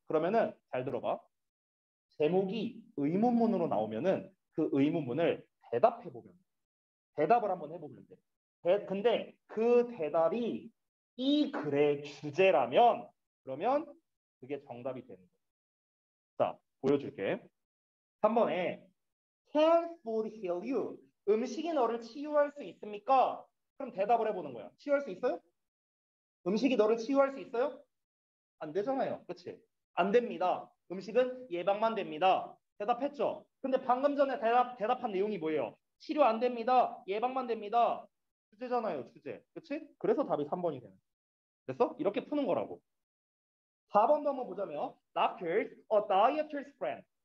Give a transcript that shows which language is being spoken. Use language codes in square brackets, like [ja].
[ko] 그러면은 잘 들어봐. 제목이 의문문으로 나오면은 그 의문문을 대답해보면 돼. 대답을 한번 해보면 돼. 근데 그 대답이 이 글의 주제라면 그러면 그게 정답이 되는 거야. 자, 보여줄게. 3번에 [en] Can food heal you? [ko] 음식이 너를 치유할 수 있습니까? 그럼 대답을 해보는 거야. 치유할 수 있어요? 음식이 너를 치유할 수 있어요? 안 되잖아요. 그치? 안 됩니다. 음식은 예방만 됩니다. 대답했죠? 근데 방금 전에 대답한 내용이 뭐예요? 치료 안 됩니다. 예방만 됩니다. 주제잖아요. 주제. 그치? 그래서 답이 3번이 되는 거야. 그래서 이렇게 푸는 거라고. 4번도 한번 보자면, [en] Doctors, a dieter's friend.